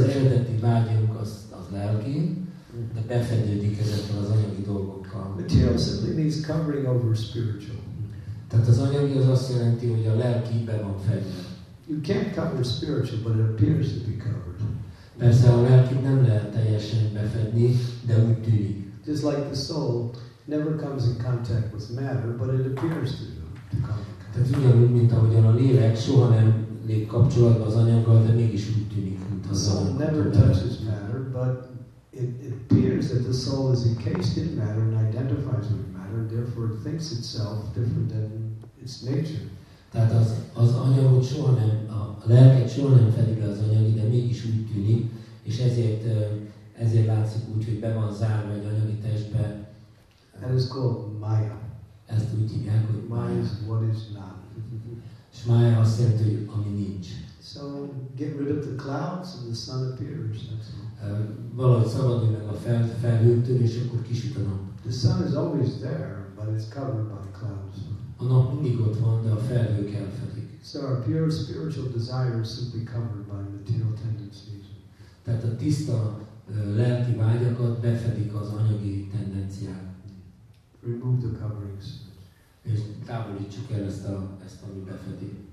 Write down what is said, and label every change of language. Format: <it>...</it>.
<hu>Tehát az eredeti vágyunk az lelki, de befedődik ezekkel az anyagi dolgokkal.</hu> <en>Material simply means covering over spiritual.</en> <hu>Tehát az anyagi az azt jelenti, hogy a lelki be van fedve.</hu> <en>You can't cover spiritual, but it appears to be covered.</en> <hu>Persze a lelkét nem lehet teljesen befedni, de úgy tűnik.</hu> <en>Just like the soul never comes in contact with matter, but it appears to come.</en> <hu>Tehát ugyanúgy, mint ahogyan a lélek soha nem lép kapcsolatba az anyaggal, de mégis úgy tűnik, mint az anyag.</hu> <en>Never touches matter, but it appears that the soul is encased in matter and identifies with matter, and therefore it thinks itself different than its nature.</en> <hu>Tehát az anyagot soha nem, a lelket soha nem fedi be az anyagi, de mégis úgy tűnik, és ezért látszik úgy, hogy be van zárva egy anyagi testbe.</hu> <en>That is called Maya.</en> <hu>Ezt úgy hívják, hogy</hu> <en>Maya is what is not.</en> <hu>És Maya azt jelenti, hogy ami nincs.</hu> <en>So get rid of the clouds and the sun appears.</en> <hu>Valahogy szabadulj meg a felhőtől, és akkor kisüt a nap.</hu> <en>The sun is always there, but it's covered by the clouds.</en> <hu>A nap mindig ott van, de a felhők elfedik.</hu> <en>So our pure spiritual desire is simply covered by material tendencies.</en> <hu>Tehát a tiszta lelki vágyakat befedik az anyagi tendenciák.</hu> <en>Remove the coverings.</en> <hu>És távolítsuk el ezt, ami befedi.</hu>